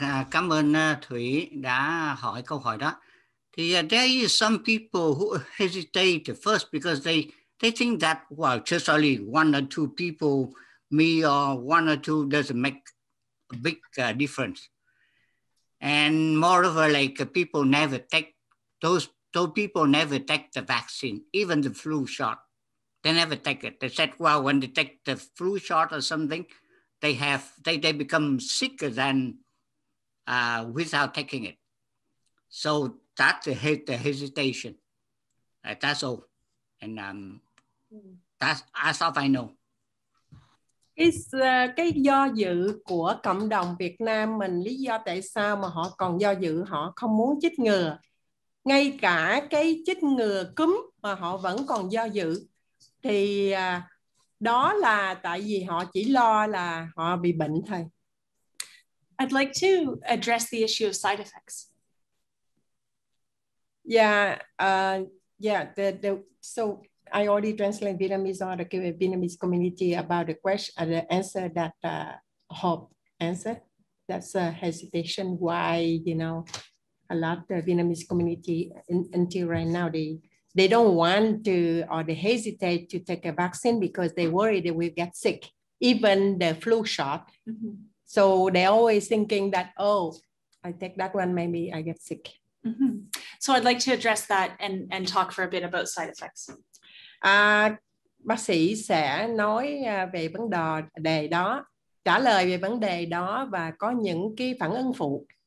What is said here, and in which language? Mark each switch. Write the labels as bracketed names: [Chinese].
[Vietnamese] Cảm ơn Thủy đã hỏi câu hỏi đó. [English] Thì there is some people who hesitate first because they think that, well, just only one or two people, me or one or two, doesn't make a big difference. And moreover, like people never take, those people never take the vaccine, even the flu shot. they never take it. They said, well, when they take the flu shot or something, they become sicker than without taking it. So that's the hesitation. That's all. And that's as far as I know. [Vietnamese] Is cái do dự của cộng đồng Việt Nam mình lý do tại sao mà họ còn do dự, họ không muốn chích ngừa. Ngay cả cái chích ngừa cúm mà họ vẫn còn do dự. Thì đó là tại vì họ chỉ lo là họ bị bệnh thôi. [English] I'd like to address the issue of side effects. So I already translated Vietnamese article with Vietnamese community about the question, the answer that Hope answered. That's a hesitation why, you know, a lot of the Vietnamese community until right now, they don't want to, or they hesitate to take a vaccine because they worry they will get sick, even the flu shot. Mm-hmm. So they're always thinking that, oh, I take that one, maybe I get sick. Mm-hmm. So I'd like to address that and talk for a bit about side effects. [Vietnamese] Bác sĩ sẽ nói về vấn đề đó, trả lời về vấn đề đó và có những cái phản ứng phụ.